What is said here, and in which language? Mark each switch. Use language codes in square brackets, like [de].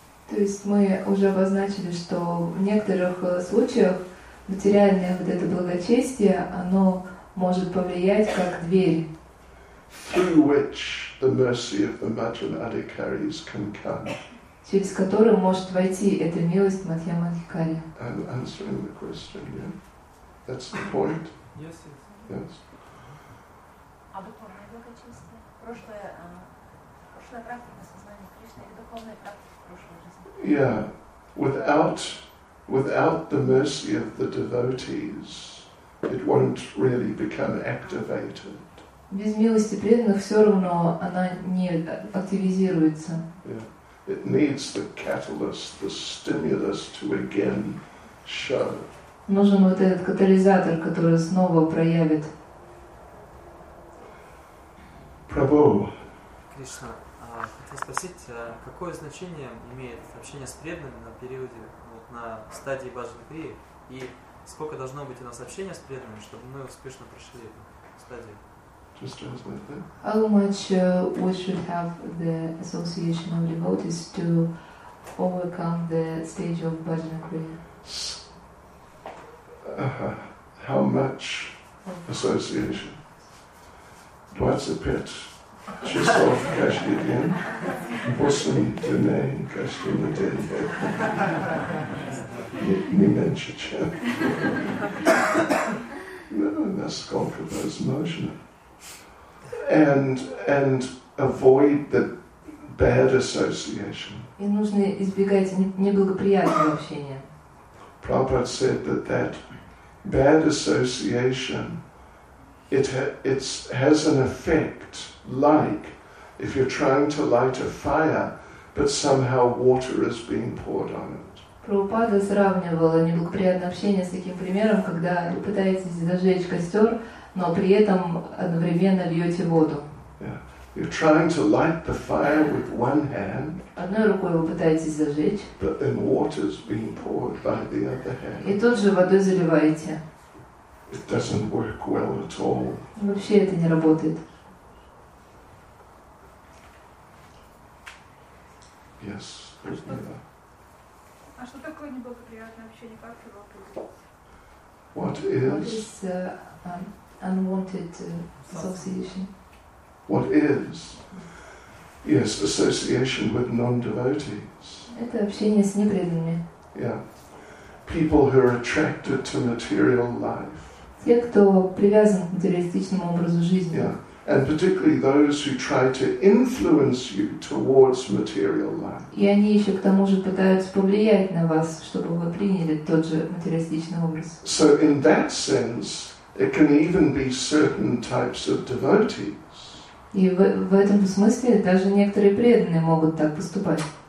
[ru] То есть мы уже обозначили, что в некоторых случаях материальное вот это благочестие, оно может повлиять как дверь, через которую может войти эта милость Мадхья Мадхикари. А духовное благочестие? Прошлая практика сознания Кришны или духовная практика в прошлой жизни? [en] Yeah. Without the mercy of the devotees, it won't really become activated. [ru] Без милости преданных все равно она не активизируется. [en] Yeah. It needs the catalyst, the stimulus to again show. [ru] Нужен вот этот катализатор, который снова проявит. Прабху. Кришна, хотел спросить, какое значение имеет общение с преданными на периоде, вот, на стадии Бхаджан-крии, и сколько должно быть у нас общения с преданными, чтобы мы успешно прошли эту стадию? [en] Just translate that. How much we should have the association of devotees to overcome the stage of Bhajan-kriya? How much association? [ru] Двадцать пять часов каждый день, восемь дней каждый день, не меньше чем. Ну, насколько возможно. [en] And avoid the bad association. [ru] И нужно избегать неблагоприятного общения. [en] Prabhupada said that bad association, it has an effect like if you're trying to light a fire, but somehow water is being poured on it. [ru] Прабхупада сравнивала неблагоприятное общение с таким примером, когда вы пытаетесь зажечь костер, но при этом одновременно льете воду. [en] Yeah. You're trying to light the fire with one hand. [ru] Одной рукой вы пытаетесь зажечь. [en] But then water is being poured by the other hand. [ru] И тут же водой заливаете. [en] It doesn't work well at all. [ru] Вообще это не работает. [en] Yes. [ru] А что такое неблагоприятное общение? Как его определить? [en] What is? What is unwanted association? What is? Yes, association with non-devotees. [ru] Это общение с непреданными. [en] Yeah. People who are attracted to material life. [ru] Те, кто привязан к материалистичному образу жизни. [en] Yeah. And particularly those who try to influence you towards material life. [ru] И они еще к тому же пытаются повлиять на вас, чтобы вы приняли тот же материалистичный образ. [en] So in that sense, it can even be certain types of devotees. [ru] И в этом смысле даже некоторые преданные могут так поступать.